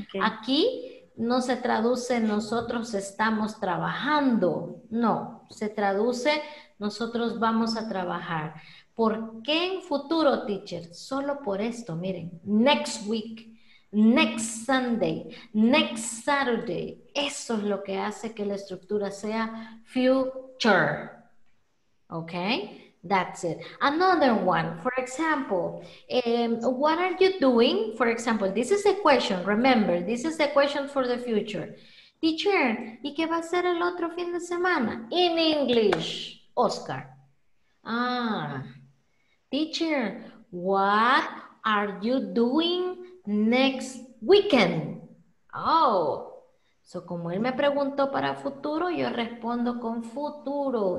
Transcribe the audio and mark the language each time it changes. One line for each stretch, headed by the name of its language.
Spanish: Aquí no se traduce nosotros estamos trabajando, no, se traduce nosotros vamos a trabajar. ¿Por qué en futuro, teacher? Solo por esto, miren,
English: next week, next Sunday, next Saturday,
Spanish: eso es lo que hace que la estructura sea future, ¿ok?
English: That's it. Another one, for example, what are you doing? For example, this is a question, remember, this is a question for the future.
Spanish: Teacher, ¿y qué va a ser el otro fin de semana?
English: In English, Oscar. Ah, teacher, what are you doing next weekend? Oh, so
Spanish: como él me preguntó para futuro, yo respondo con futuro.